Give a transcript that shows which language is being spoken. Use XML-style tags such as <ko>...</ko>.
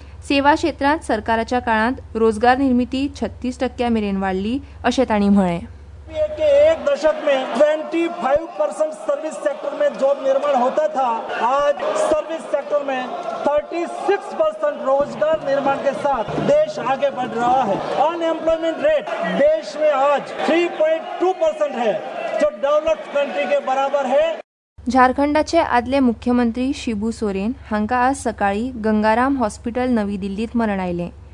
<kok>सेवा क्षेत्रांत सरकाराच्या काळांत रोजगार निर्मिती 36% मेरेन वाडली अशें तांणी म्हळें.</kok> <hi>एक दशक में 25% सर्विस सेक्टर में जॉब निर्माण होता था, आज सर्विस सेक्टर में 36% रोजगार निर्माण के साथ देश आगे बढ़ रहा है. अनएम्प्लॉयमेंट रेट देश में आज 3.2% है, जो डेवलप्ड कंट्री के बराबर है.</hi> <kok>झारखंडाचे आदले मुख्यमंत्री शिबू सोरेन हांका आज सकाळी गंगाराम हॉस्पिटल नवी दिल्लीत मरण आयले.</kok>